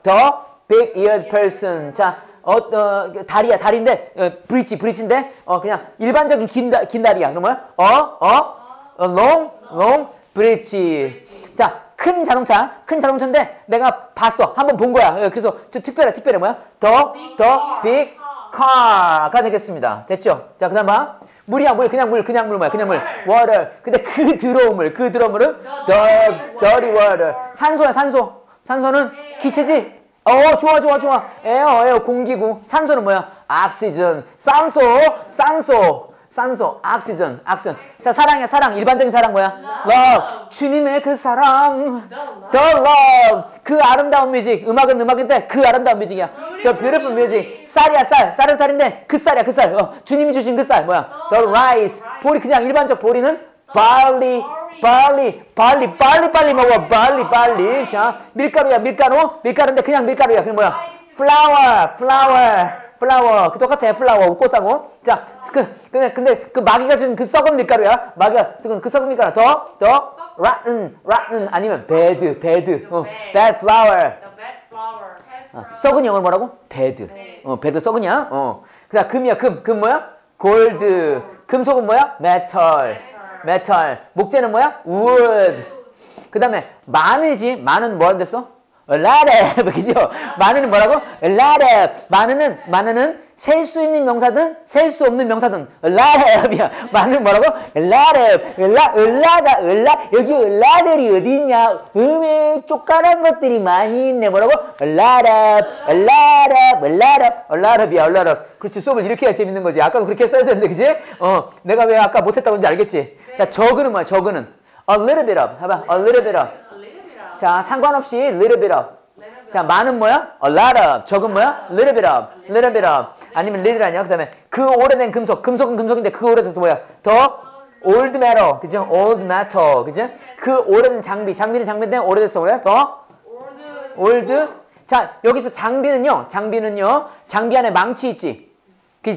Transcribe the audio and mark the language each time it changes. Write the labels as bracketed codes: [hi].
[en] The big eared person. [ko] 자, 다리야. 다리인데, 브릿지인데, 어, 그냥 일반적인 긴 다리야. 그럼 뭐야? [en] A long bridge. [ko] 자, 큰 자동차인데, 내가 봤어. 한번 본 거야. 그래서, 저 특별해 뭐야? [en] The big car가 되겠습니다. [ko] 됐죠? 자, 그 다음 봐. 물이야, 그냥 물. Water. 근데 그 더러운 물. 그 더러운 물은? [en] Dirty water. [ko] 산소야, 산소. 산소는? 기체지? 어, 좋아. 에어, 공기고. 산소는 뭐야? Oxygen. 산소. 산소, 옥시전, 액션. 자, 사랑이야, 사랑. 일반적인 사랑 뭐야? [en] Love. Love. [ko] 주님의 그 사랑. [en] The love. The love. [ko] 그 아름다운 뮤직. 음악은 음악인데 그 아름다운 뮤직이야. [en] The beautiful music. [ko] 쌀이야, 쌀. 쌀은 쌀인데 그 쌀이야, 그 쌀. 주님이 주신 그 쌀. 뭐야? [en] The rice. [ko] 보리, 그냥 일반적 보리는? [en] Barley. Barley. Barley. Barley. Barley. 먹어. Barley. Barley. [ko] 자, 밀가루야, 밀가루. 밀가루인데 그냥 밀가루야. 그럼 뭐야? [en] Flower. Flower. [ko] 플라워, 똑같아, 플라워, 꽃하고. 자, 근데 그 마귀가 준 그 썩은 밀가루야. 마귀가, 그 썩은 밀가루. [en] 더, rotten, 아니면 bad, bad, bad flower. The bad flower. [ko] 썩은 영어로 뭐라고? bad. 네. bad 썩은이야. 그 다음 금이야, 금. 금 뭐야? gold. 금속은 뭐야? metal. [en] metal. [ko] 목재는 뭐야? wood. 그 다음에 마늘이지. 마늘은 뭐라 그랬어? [en] A lot of, [ko] 그죠? 마늘은 뭐라고? [en] A lot of. [ko] 마늘은 셀 수 있는 명사든, 셀 수 없는 명사든. [en] A lot of. 야. [ko] 마늘은 뭐라고? [en] A lot of. A lot. [ko] 여기 A lot이 어디 있냐? 음에 쪼까란 것들이 많이 있네. [en] 뭐라고? A lot of. A lot of. A lot of. A lot of이야, A lot of. [ko] 그렇지. 수업을 이렇게 해야 재밌는 거지. 아까도 그렇게 써야 되는데, 그지? 내가 왜 아까 못했다고 이제 알겠지? 네. 자, 적은 뭐야, 적은. [en] A little bit of. 해봐. A little bit of. 자, 상관없이 little bit of. [ko] 자, 많은 뭐야? [en] A lot of. 적은 뭐야? Little bit of. Little bit of. [ko] 아니면 little 아니야? 그 다음에 그 오래된 금속. 금속은 금속인데 그 오래돼서 뭐야? [en] 더 old metal. [ko] 그죠? Old metal. 그죠? 그 오래된 장비. 장비는 장비인데 오래돼서 뭐야? [en] 더 old. [ko] 자, 여기서 장비는요? 장비는요? 장비 안에 망치 있지? 그지?